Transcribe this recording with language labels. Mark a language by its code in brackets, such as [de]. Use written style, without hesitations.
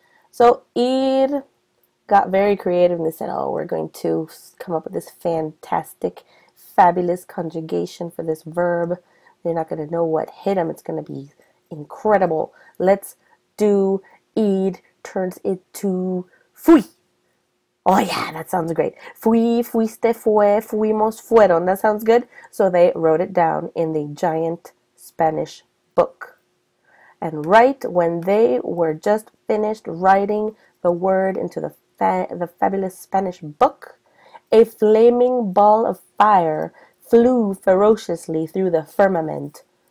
[en] So, ir got very creative and they said, oh, we're going to come up with this fantastic, fabulous conjugation for this verb. They're not going to know what hit them. It's going to be incredible. Let's do ir turns it to fui. Oh, yeah, that sounds great. [es] Fui, fuiste, fue, fuimos, fueron. [en] That sounds good. So, they wrote it down in the giant Spanish book. And right when they were just finished writing the word into the fabulous Spanish book, a flaming ball of fire flew ferociously through the firmament.